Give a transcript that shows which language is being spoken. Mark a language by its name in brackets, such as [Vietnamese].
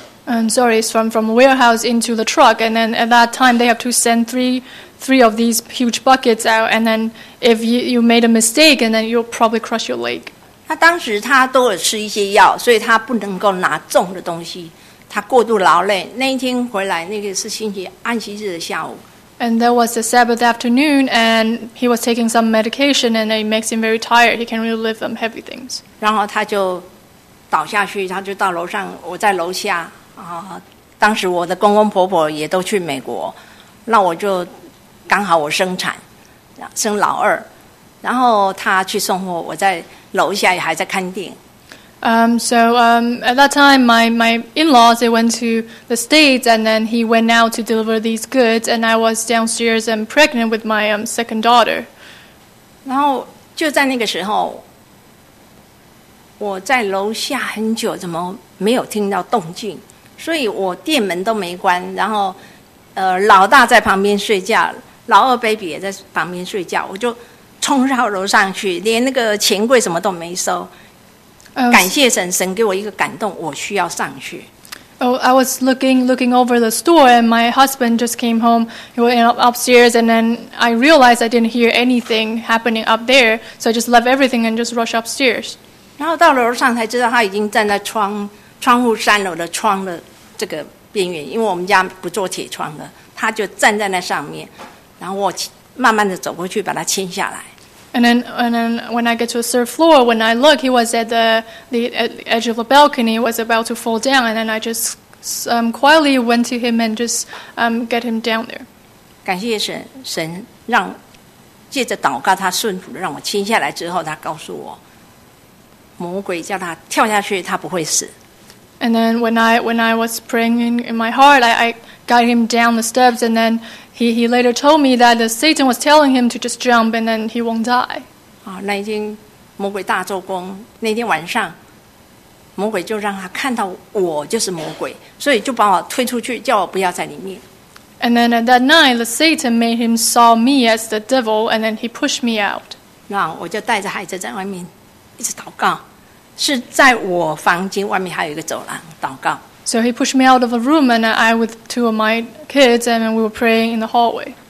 [English] And sorry, it's from the warehouse into the truck, and then at that time they have to send three of these huge buckets out, and then if you made a mistake, and then you'll probably crush your leg. [Chinese] 他当时他都有吃一些药，所以他不能够拿重的东西，他过度劳累。那一天回来，那个是星期安息日的下午。 [English] And that was the Sabbath afternoon, and he was taking some medication, and it makes him very tired. He can't really lift them heavy things. [Chinese] 然后他就倒下去，他就到楼上，我在楼下。当时我的公公婆婆也都去美国，那我就刚好我生产生老二，然后他去送货，我在楼下也还在看电影。 [English] At that time my in-laws, they went to the States, and then he went out to deliver these goods, and I was downstairs and pregnant with my second daughter. [Chinese] 然后就在那个时候，我在楼下很久，怎么没有听到动静？所以我店门都没关，然后，老大在旁边睡觉，老二 baby 也在旁边睡觉，我就冲到楼上去，连那个钱柜什么都没收。感谢神，神给我一个感动，我需要上去。 [English] I was looking over the store, and my husband just came home. He went upstairs, and then I realized I didn't hear anything happening up there, so I just left everything and just rushed upstairs. [Chinese] 然后到楼上才知道他已经站在窗户三楼的窗的这个边缘，因为我们家不做铁窗的，他就站在那上面，然后我慢慢的走过去把他牵下来。 [English] And then when I get to the third floor, when I look, he was at the edge of the balcony, was about to fall down, and then I just quietly went to him and just get him down there. [Chinese] 感谢神让借着祷告他顺服，让我牵下来之后，他告诉我魔鬼叫他跳下去，他不会死。 [English] And then when I was praying in my heart, I got him down the steps, and then he later told me that the Satan was telling him to just jump and then he won't die. [Chinese] 那一天魔鬼大做工，那天晚上魔鬼就让他看到我就是魔鬼，所以就把我推出去，叫我不要在里面。 [English] And then at that night, the Satan made him saw me as the devil, and then he pushed me out. [Chinese] 那我就带着孩子在外面一直祷告。是在我房间外面还有一个走廊祷告。 [English] So he pushed me out of a room, and I with two of my kids, and we were praying in the hallway.